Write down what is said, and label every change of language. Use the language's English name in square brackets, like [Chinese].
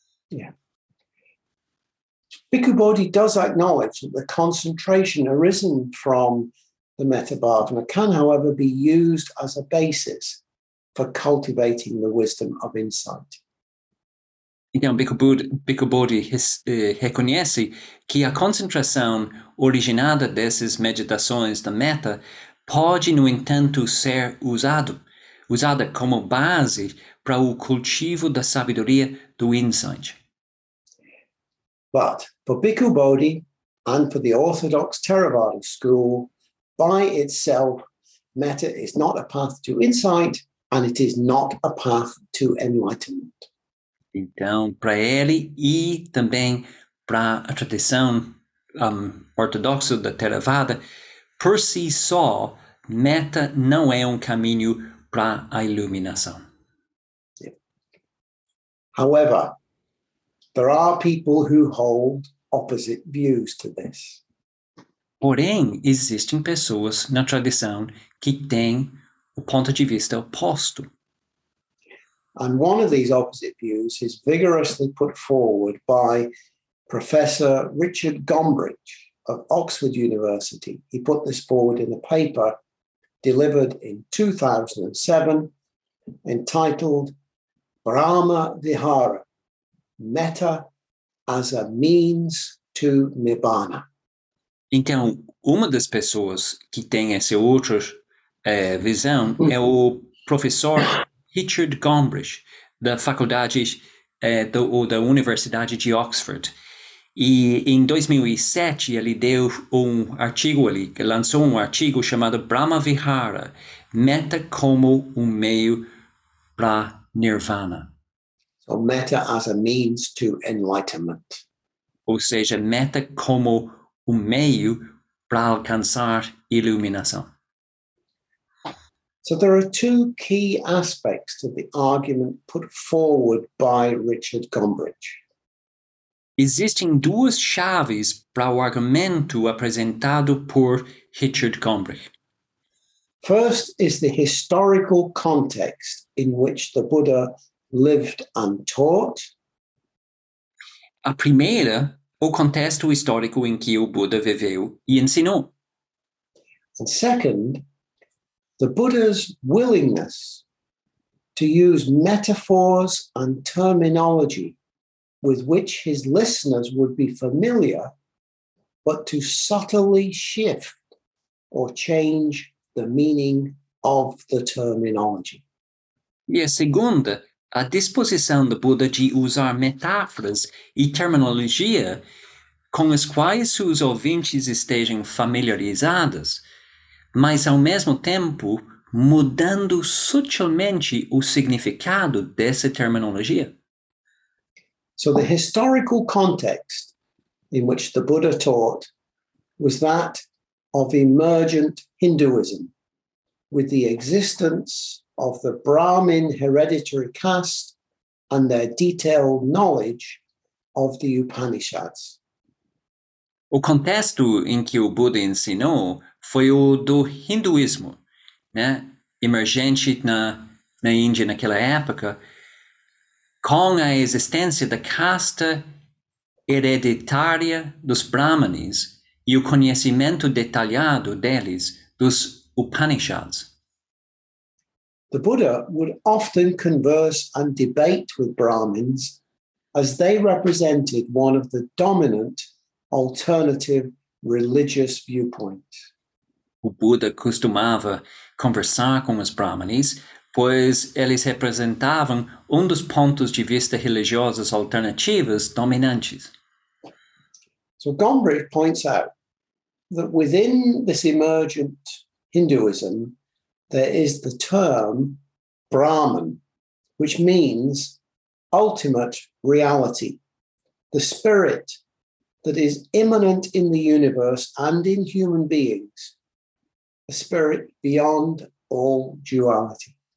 [English] Yeah. Bhikkhu Bodhi does acknowledge that the concentration arisen from the Metta Bhavana can, however, be used as a basis for cultivating the wisdom of insight. [Portuguese] Então, Bhikkhu Bodhi reconhece que a concentração originada dessas meditações da Metta pode, no entanto, ser usada como base para o cultivo da sabedoria do insight. [English] But for Bhikkhu Bodhi and for the orthodox Theravada school, by itself, Metta is not a path to insight and it is not a path to enlightenment. [Portuguese] Então, para ele e também para a tradição ortodoxa da Theravada, por si só, Metta não é um caminho para a iluminação. [English] However, there are people who hold opposite views to this. [Portuguese] Porém, existem pessoas na tradição que têm o ponto de vista oposto. [English] And one of these opposite views is vigorously put forward by Professor Richard Gombrich of Oxford University. He put this forward in a paper delivered in 2007 entitled Brahma Vihara, Metta as a Means to Nibbana. [Portuguese] Então, uma das pessoas que tem essa outra visão é o professor Richard Gombrich, da faculdade da Universidade de Oxford. E em 2007, ele deu um artigo ali, lançou um artigo chamado Brahma Vihara, Metta como um meio para Nirvana. [English] So Metta as a means to enlightenment. [Portuguese] Ou seja, Metta como um meio para alcançar iluminação. [English] So there are two key aspects to the argument put forward by Richard Gombrich. [Portuguese] Existem duas chaves para o argumento apresentado por Richard Gombrich. [English] First is the historical context in which the Buddha lived and taught. [Portuguese] A primeira, o contexto histórico em que o Buda viveu e ensinou. [English] And second, the Buddha's willingness to use metaphors and terminology with which his listeners would be familiar, but to subtly shift or change the meaning of the terminology. [Portuguese] E a segunda, a disposição do Buda de usar metáforas e terminologia com as quais seus ouvintes estejam familiarizados, mas ao mesmo tempo mudando sutilmente o significado dessa terminologia. [English] So the historical context in which the Buddha taught was that of emergent Hinduism, with the existence of the Brahmin hereditary caste and their detailed knowledge of the Upanishads. [Portuguese] O contexto em que o Buda ensinou foi o do hinduísmo, né? Emergente na Índia naquela época, com a existência da casta hereditária dos Brahmanes e o conhecimento detalhado deles dos Upanishads. [English] The Buddha would often converse and debate with Brahmins as they represented one of the dominant alternative religious viewpoints. [Portuguese] O Buda costumava conversar com os Brahmanes, pois eles representavam um dos pontos de vista religiosos alternativos dominantes. [English] So Gombrich points out that within this emergent Hinduism, there is the term Brahman, which means ultimate reality, the spirit that is immanent in the universe and in human beings, a spirit beyond all duality.